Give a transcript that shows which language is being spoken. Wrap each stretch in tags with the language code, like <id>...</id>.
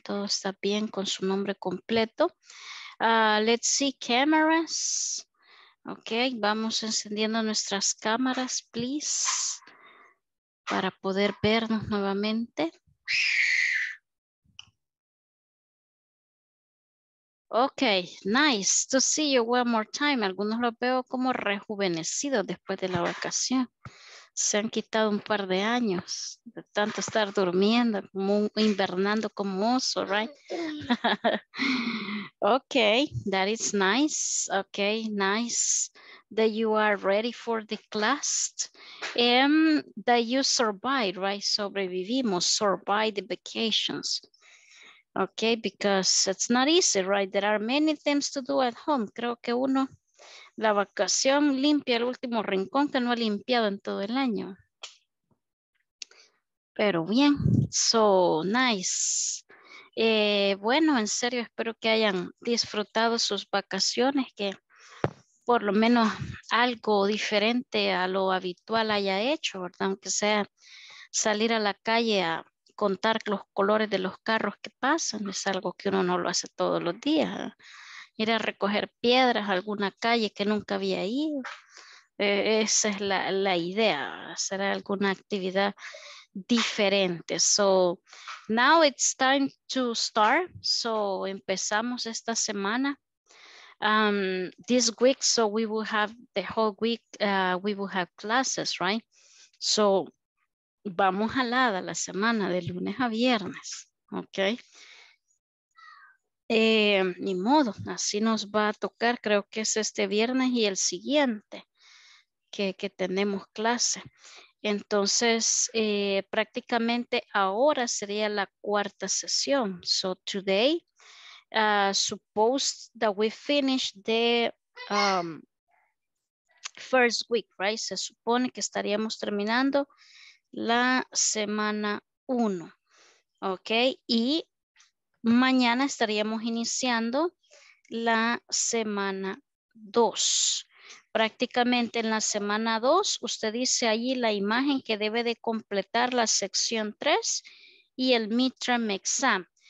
<es>Todo está bien con su nombre completo.</es> <en>Let's see cameras.</en> <es>Okay, vamos encendiendo nuestras cámaras, please. Para poder vernos nuevamente.</es> <en>Okay, nice to see you one more time.</en> <es>Algunos los veo como rejuvenecidos después de la vacación. Se han quitado un par de años de tanto estar durmiendo, invernando como oso, right?</es> <en>Okay, that is nice. Okay, nice that you are ready for the class and that you survived, right?</en> <es>Sobrevivimos,</es> <en>survived the vacations. Okay, because it's not easy, right? There are many things to do at home.</en> <es>Creo que uno, la vacación limpia el último rincón que no ha limpiado en todo el año. Pero bien,</es> <en>so nice.</en> <es>Bueno, en serio, espero que hayan disfrutado sus vacaciones, que por lo menos algo diferente a lo habitual haya hecho, ¿verdad? Aunque sea salir a la calle a contar los colores de los carros que pasan, es algo que uno no lo hace todos los días. Ir a recoger piedras a alguna calle que nunca había ido. Esa es la idea, hacer alguna actividad diferente.</es> <en>So, now it's time to start.</en> <es>So, empezamos esta semana.</es> <en>This week, so we will have the whole week, we will have classes, right?</en> <es>So, vamos a la semana de lunes a viernes, ¿ok? Ni modo, así nos va a tocar, creo que es este viernes y el siguiente que tenemos clase. Entonces, prácticamente ahora sería la cuarta sesión.</es> <en>So today, suppose that we finish the first week, right?</en> <es>Se supone que estaríamos terminando la semana 1, ok, y mañana estaríamos iniciando la semana 2. Prácticamente en la semana 2, usted dice ahí la imagen que debe de completar la sección 3 y el midterm exam.</es>